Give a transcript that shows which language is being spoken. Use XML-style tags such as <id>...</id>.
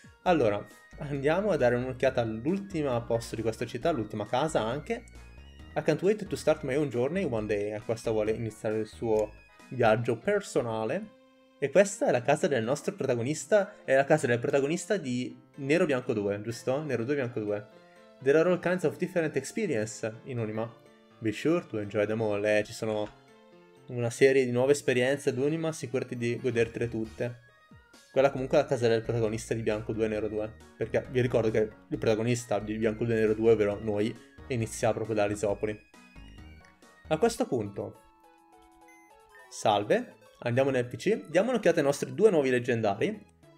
<it>Allora, andiamo a dare un'occhiata all'ultimo posto di questa città, l'ultima casa anche.</it> <en>I can't wait to start my own journey one day.</en> <it>A questa vuole iniziare il suo viaggio personale. E questa è la casa del nostro protagonista, è la casa del protagonista di Nero Bianco 2, giusto? Nero 2 Bianco 2.</it> <en>There are all kinds of different experience in Unima. Be sure to enjoy them all.</en> <it>Ci sono una serie di nuove esperienze ad Unima, sicurati di godertele tutte. Quella comunque è la casa del protagonista di Bianco 2 e Nero 2. Perché vi ricordo che il protagonista di Bianco 2 e Nero 2, ovvero noi, inizia proprio da Arisopoli. A questo punto, salve, andiamo nel PC, diamo un'occhiata ai nostri due nuovi leggendari.</it>